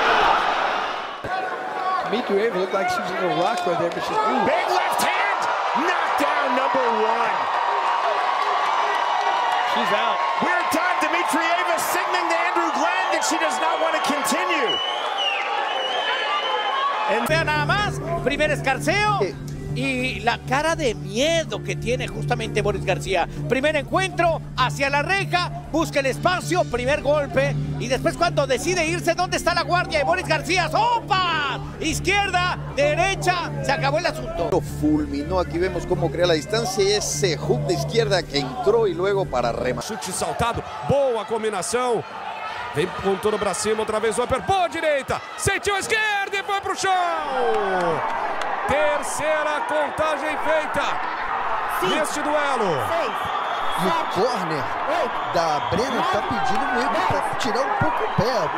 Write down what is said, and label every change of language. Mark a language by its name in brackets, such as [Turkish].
[English] Ava looked like she was a little rock right there, but she's ooh. Big left hand, knockdown number one. She's out. Weird time, Dimitri Ava signaling to Andrew Glenn that she does not want to continue. And then [Spanish] nada más, primer escarceo. Y la cara de miedo que tiene justamente Boris García. Primer encuentro, hacia la reja, busca el espacio, primer golpe. Y después cuando decide irse, ¿dónde está la guardia de Boris García? ¡Opa! Izquierda, derecha, se acabó el asunto. Lo fulminó, aquí vemos cómo crea la distancia. Y ese hook de izquierda que entró y luego para rematar. [Portuguese] Chute saltado, boa combinação. Vem com todo para cima, outra vez o upper. Boa direita, sentiu a esquerda e foi pro chão. Terceira contagem feita neste duelo. E o corner da Brenner está pedindo mesmo para tirar um pouco o pé.